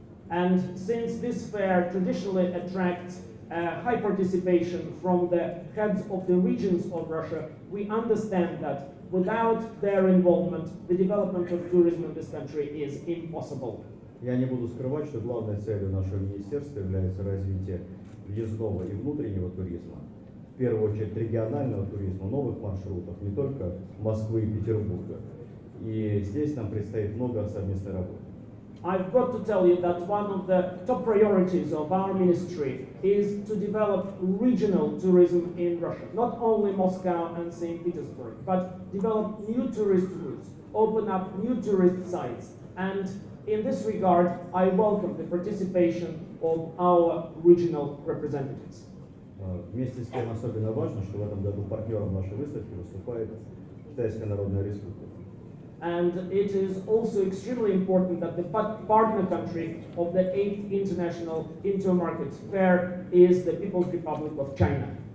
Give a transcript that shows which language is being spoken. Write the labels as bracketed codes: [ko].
[en] And since this fair traditionally attracts high participation from the heads of the regions of Russia, we understand that without their involvement, the development of tourism in this country is impossible. [ru] Я не буду скрывать, что главной целью нашего министерства является развитие въездного и внутреннего туризма, в первую очередь регионального туризма, новых маршрутов, не только Москвы и Петербурга. И здесь нам предстоит много совместной работы. [en] I've got to tell you that one of the top priorities of our ministry is to develop regional tourism in Russia. Not only Moscow and St. Petersburg, but develop new tourist routes, open up new tourist sites. And in this regard, I welcome the participation of our regional representatives. [ru] Вместе с тем особенно важно, что в этом году партнером нашей выставки выступает Китайская Народная Республика. [en] And it is also extremely important that the partner country of the 8th International Intermarket Fair is the People's Republic of China.